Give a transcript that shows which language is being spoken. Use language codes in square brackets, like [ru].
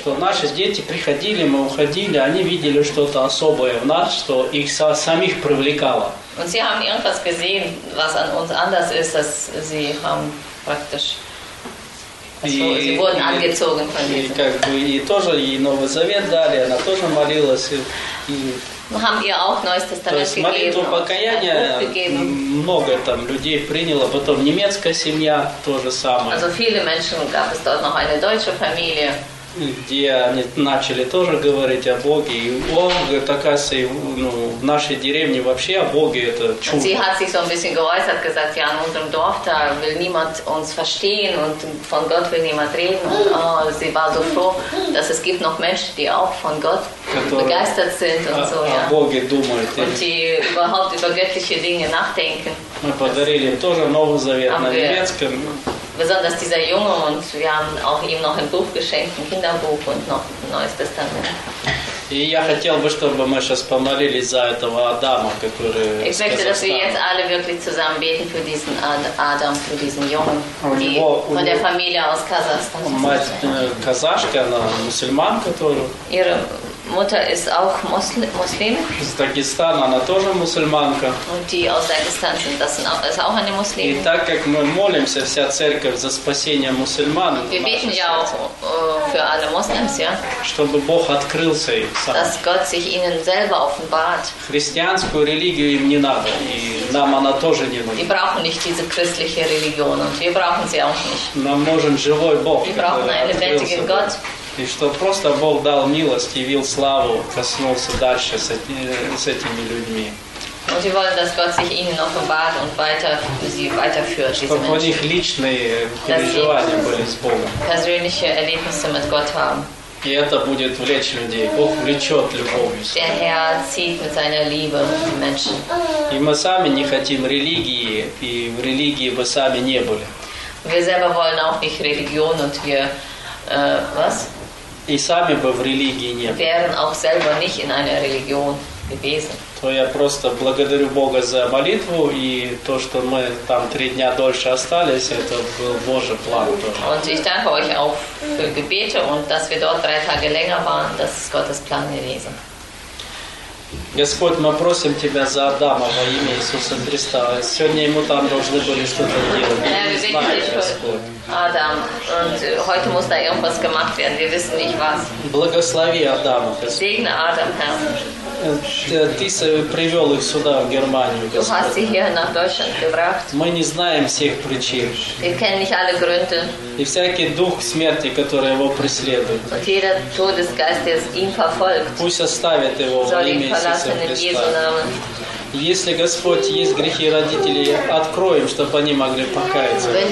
[ru] Что наши дети приходили, мы уходили, они видели что-то особое в нас, что их самих привлекало. [de] Und sie haben irgendwas gesehen, was an uns anders ist, dass sie haben praktisch. Sie wurden angezogen von diesem. [ru] Как бы и тоже ей Новый Завет дали, она тоже молилась. Мы [de] haben ihr auch Neues Testament gegeben. [ru] Молитву покаяния много там людей приняло, потом немецкая семья то же самое. [de] Also viele Menschen gab es dort noch eine deutsche Familie. [ru] Где они начали тоже говорить о Боге. И Бог, так оказывается, ну, в нашей деревне вообще о Боге это чудо. [de] Sie hat sich so ein bisschen geäußert, gesagt, ja, in unserem Dorf, da will niemand uns verstehen und von Gott will niemand reden. Und sie war so froh, dass es gibt noch Menschen, die auch von Gott begeistert sind und so, ja. [ru] О Боге думают. [de] Und die überhaupt über göttliche Dinge nachdenken. [ru] Мы подарили тоже Новый Завет на немецком. [de] Besonders dieser Junge und wir haben auch ihm noch ein Buch geschenkt, ein Kinderbuch und noch ein Neues Testament. [ru] И я хотел бы, чтобы мы сейчас помолились за этого Адама, который из Казахстана. [de] Ich möchte, dass wir jetzt alle wirklich zusammen beten für diesen Адам, für diesen Jungen, von der Familie aus Kasachstan. [ru] Мать казашка, она мусульманка тоже. [de] Ihre Mutter ist auch Muslim. [ru] Из Дагестана, она тоже мусульманка. [de] Und die aus Dagestan sind, das sind auch, ist auch eine Muslimin. [ru] И так как мы молимся вся церковь за спасение мусульман, [de] wir beten ja auch für alle Muslims, ja. [ru] Чтобы Бог открылся им. [de] Dass Gott sich ihnen selber offenbart. [ru] Христианскую религию им не надо, и нам она тоже не нужна. [de] Die brauchen nicht diese christliche Religion und wir brauchen sie auch nicht. [ru] Нам нужен живой Бог. [de] Wir brauchen einen lebendigen Gott. [ru] И что просто Бог дал милость, явил славу, коснулся дальше с этими людьми. [de] Und sie wollen, dass Gott sich ihnen offenbart und weiter sie weiterführt, diese Menschen. [ru] Чтобы у них личные переживания были с Богом. [de] Persönliche Erlebnisse mit Gott haben. [ru] И это будет влечь людей. Бог влечет любовью. [de] Der Herr zieht mit seiner Liebe Menschen. [ru] И мы сами не хотим религии, и в религии мы сами не были. [de] Wir selber wollen auch nicht Religion und wir, was? [ru] И сами бы в религии не были. [de] Wären auch selber nicht in einer Religion gewesen. [ru] то я просто благодарю Бога за молитву, и то, что мы там 3 дня дольше остались, это был Божий план тоже. [de] Und ich danke euch auch für Gebete und dass wir dort 3 Tage länger waren, das ist Gottes Plan gewesen. [ru] Господь, мы просим Тебя за Адама во имя Иисуса Христа. Сегодня ему там должны были что-то делать. Мы не знаем, Господь. [de] Адам, heute muss da irgendwas gemacht werden. Wir wissen nicht was. [ru] Благослови Адама, Господь. [de] Segne Adam, Herr. [ru] Ты привел их сюда, в Германию, Господь. [de] Du hast sie hier nach Deutschland gebracht. [ru] Мы не знаем всех причин. [de] Wir kennen nicht alle Gründe. [ru] И всякий дух смерти, который его преследует. [de] Und jeder Todesgeist, der ihn verfolgt. [ru] Пусть оставит его во имя Иисуса Христа. Если Господь есть грехи родителей, откроем, чтобы они могли покаяться.